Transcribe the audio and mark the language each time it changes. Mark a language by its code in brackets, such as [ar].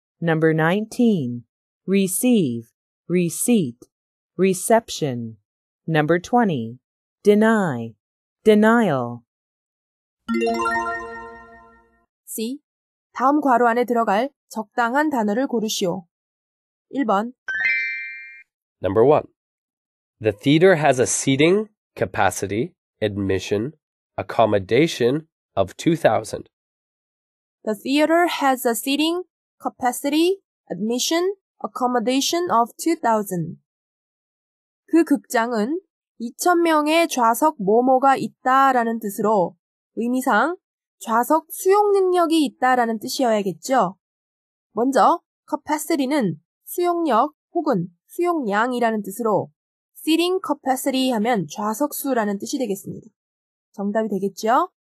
[en] Number 19. Receive, receipt, reception. Number 20. Deny, denial. C. [ko] 다음 괄호 안에 들어갈 적당한 단어를 고르시오. 1번. [en] Number 1. The theater has a seating capacity, admission, accommodation of 2,000. The theater has a seating capacity, admission, accommodation of 2,000. [ko] 그 극장은 2,000명의 좌석 뭐뭐가 있다라는 뜻으로 의미상 좌석 수용 능력이 있다라는 뜻이어야겠죠. 먼저 capacity는 수용력 혹은 수용량이라는 뜻으로 seating capacity 하면 좌석 수라는 뜻이 되겠습니다. 정답이 되겠죠?